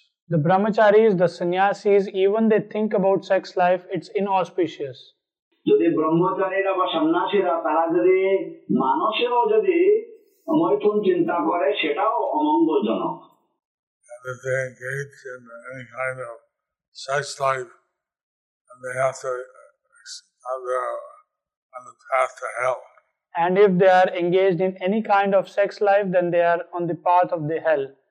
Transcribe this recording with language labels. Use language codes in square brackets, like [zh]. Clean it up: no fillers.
[en] The brahmacharis, the sannyasis, even they think about sex life, it's inauspicious. [bn] যদি ব্রহ্মচারীরা বা সন্ন্যাসীরা তারা যদি মানুষেরও যদি মৈথুন চিন্তা করে সেটাও অমঙ্গলজনক। [en] And if they engage in any kind of sex life, then they have to have on the path to hell. And if they are engaged in any kind of sex life, then they are on the path of the hell.